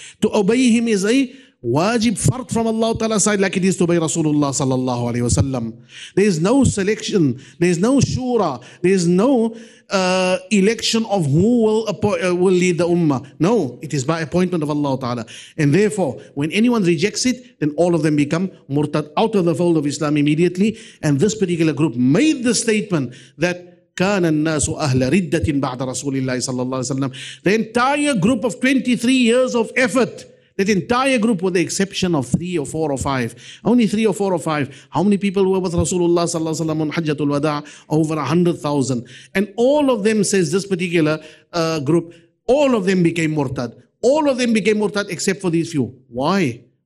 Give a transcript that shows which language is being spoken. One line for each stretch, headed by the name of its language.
English: To obey him is a wajib fard from Allah Ta'ala side, like it is to obey Rasulullah sallallahu alaihi wasallam. There is no selection, there is no shura, there is no election of who will lead the ummah. No, it is by appointment of Allah Ta'ala. And therefore, when anyone rejects it, then all of them become murtad, out of the fold of Islam immediately. And this particular group made the statement that
Arabic: كَانَ النَّاسُ أَهْلَ رِدَّةٍ بَعْدَ رَسُولِ اللَّهِ صَلَّى اللَّهِ وَسَلَّمْ.
English: The entire group of 23 years of effort, that entire group, with the exception of three or four or five, only three or four or five, how many people were with Rasulullah sallallahu alaihi wasallam on Hajjatul Wada'? Over 100,000. And all of them, says this particular group, all of them became murtad. All of them became murtad except for these few. Why?